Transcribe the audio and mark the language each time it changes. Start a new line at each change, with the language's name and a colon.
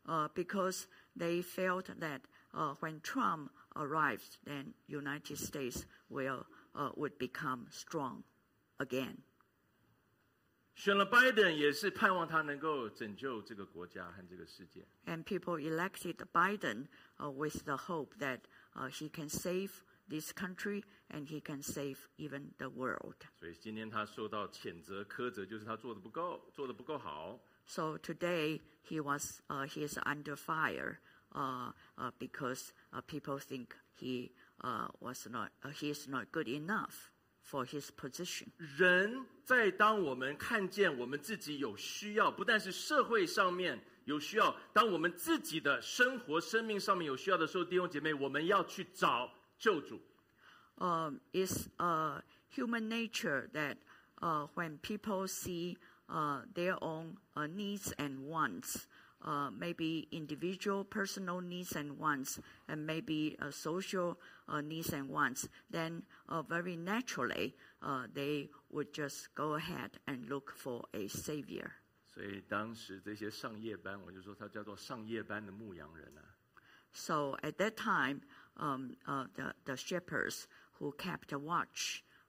English: Because they felt that when Trump arrived, then United States would become strong again.
Chinese: 选了 Biden 也是盼望他能够拯救这个国家和这个世界。
English: And people elected Biden with the hope that he can save this country and he can save even the world.
Chinese: 所以今天他受到谴责苛责，就是他做的不够，做的不够好。
English: So today he is under fire because people think he is not good enough. For his position.
Chinese: 人在当我们看见我们自己有需要，不但是社会上面有需要，当我们自己的生活生命上面有需要的时候，弟兄姐妹，我们要去找救主。
English: It's human nature that when people see their own needs and wants, maybe individual personal needs and wants, and maybe social needs and wants, then very naturally they would just go ahead and look for a savior.
Chinese: 所以当时这些上夜班，我就说他叫做上夜班的牧羊人啊。
English: So at that time, the shepherds who kept watch,